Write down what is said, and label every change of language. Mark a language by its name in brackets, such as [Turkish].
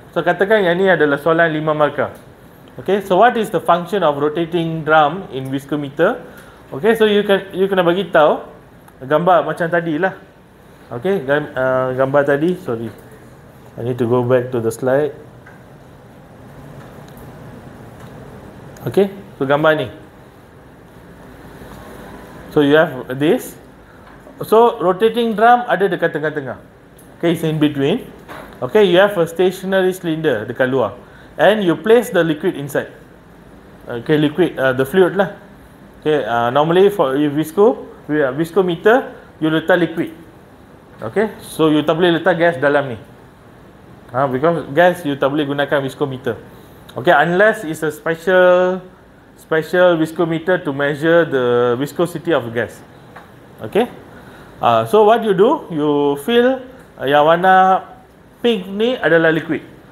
[Malay] So katakan yang ni adalah soalan 5 markah. [English] Okay, so what is the function of rotating drum in viscometer? [Malay] Okay, so you kena bagi tahu gambar macam tadi lah. [English] Okay, [Malay] gambar tadi. [English] Sorry, I need to go back to the slide. [Malay] Okay, so gambar ni. [English] So you have this. So rotating drum [Malay] ada dekat tengah-tengah. [English] Okay, it's in between. Okay, you have a stationary cylinder [Malay] dekat luar. [English] And you place the liquid inside. Okay, liquid, the fluid lah. Okay, normally for viscometer, you letak liquid. [Malay] Okay, so you tak boleh letak gas dalam ni. Because gas, you tak boleh gunakan viscometer. [English] Okay, unless it's a special viscometer to measure the viscosity of gas. Okay, so what you do, you fill [Malay] yang warna pink ni adalah [English] liquid.